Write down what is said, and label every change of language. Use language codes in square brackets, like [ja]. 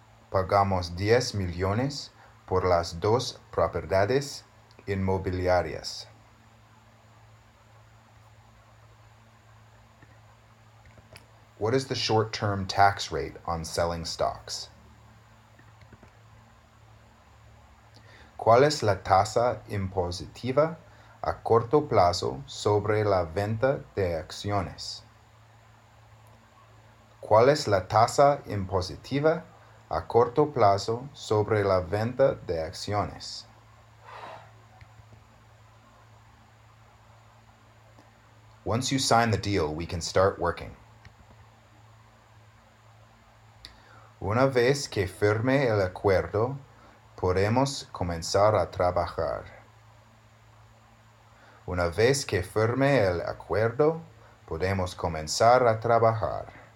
[es] Pagamos 10 millones por las 2 propiedades inmobiliarias. [en] What is the short-term tax rate on selling stocks? [es] ¿Cuál es la tasa impositiva a corto plazo sobre la venta de acciones? ¿Cuál es la tasa impositiva a corto plazo sobre la venta de acciones? [en] Once you sign the deal, we can start working. [es] Una vez que firme el acuerdo, podemos comenzar a trabajar. Una vez que firme el acuerdo, podemos comenzar a trabajar.